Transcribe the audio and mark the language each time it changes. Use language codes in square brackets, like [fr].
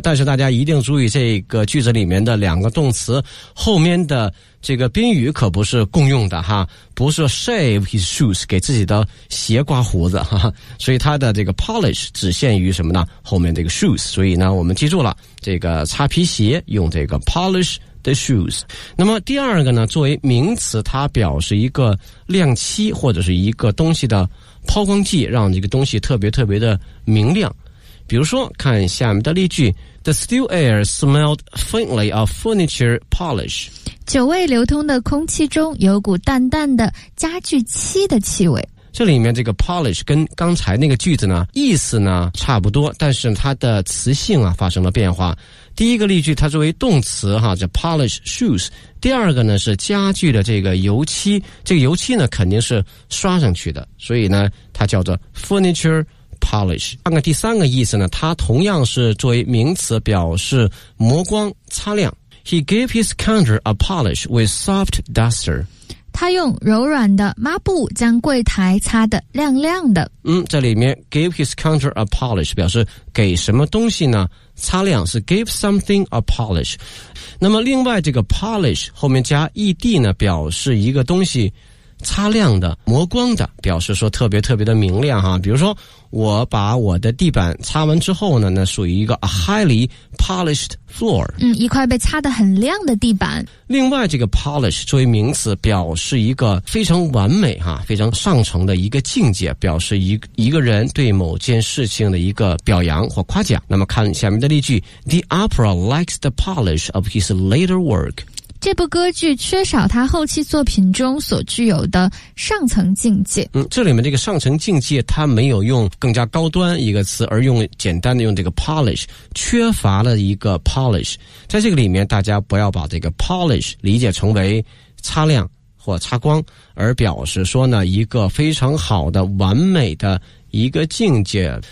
[zh] 但是大家一定注意这个句子里面的两个动词后面的这个宾语可不是共用的哈，不是 [en] shave his shoes [zh] 给自己的鞋刮胡子哈，所以他的这个 polish 只限于什么呢，后面这个 shoes。所以呢我们记住了这个擦皮鞋用这个 polish the shoes。那么第二个呢，作为名词它表示一个亮漆或者是一个东西的抛光剂，让这个东西特别特别的明亮。比如说看下面的例句， [en] The still air smelled faintly of furniture polish， [zh] 久未流通的空气中有股淡淡的家具漆的气味。这里面这个 polish 跟刚才那个句子呢意思呢差不多，但是它的词性啊发生了变化。第一个例句它作为动词哈，叫 polish shoes， 第二个呢是家具的这个油漆，这个油漆呢肯定是刷上去的，所以呢它叫做 furniture polish。看看第三个意思呢，它同样是作为名词表示磨光擦亮。 [en] He gave his counter a polish with soft duster， [zh] 他用柔软的抹布将柜台擦得亮亮的。嗯，这里面 [en] gave his counter a polish [zh] 表示给什么东西呢擦亮，是 [en] give something a polish。 [zh] 那么另外这个 polish 后面加 ed 呢，表示一个东西擦亮的磨光的，表示说特别特别的明亮哈。比如说我把我的地板擦完之后呢，那属于一个 [en] highly polished floor， [zh] 嗯，一块被擦得很亮的地板。另外这个 polish 作为名词表示一个非常完美哈，非常上乘的一个境界，表示一个人对某件事情的一个表扬或夸奖。那么看下面的例句， [en] The opera likes the polish of his later work， [zh] 这部歌剧缺少他后期作品中所具有的上层境界。嗯，这里面这个上层境界它没有用更加高端一个词，而用简单的用这个 polish， 缺乏了一个 polish。在这个里面大家不要把这个 polish 理解成为擦亮或擦光，而表示说呢一个非常好的完美的一个境界。